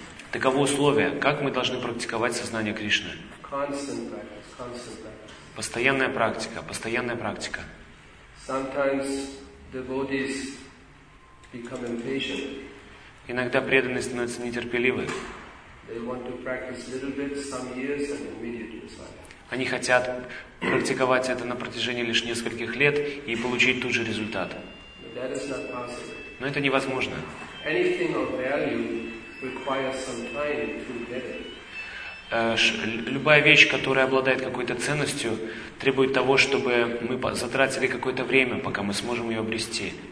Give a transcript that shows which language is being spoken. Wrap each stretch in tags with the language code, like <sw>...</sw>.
<ru>Таково условие, как мы должны практиковать сознание Кришны.</ru> <en>Constant practice.</en> <ru>Постоянная практика.</ru> <en>Sometimes devotees become impatient.</en> <ru>Иногда преданные становятся нетерпеливы.</ru> <en>They want to practice little bit, some years, and immediately.</en> <ru>Они хотят практиковать это на протяжении лишь нескольких лет и получить тот же результат.</ru> <en>But that is not possible.</en> <ru>Но это невозможно.</ru> <en>Anything of value requires some time to get it.</en> <ru>Любая вещь, которая обладает какой-то ценностью, требует того, чтобы мы затратили какое-то время, пока мы сможем ее обрести.</ru>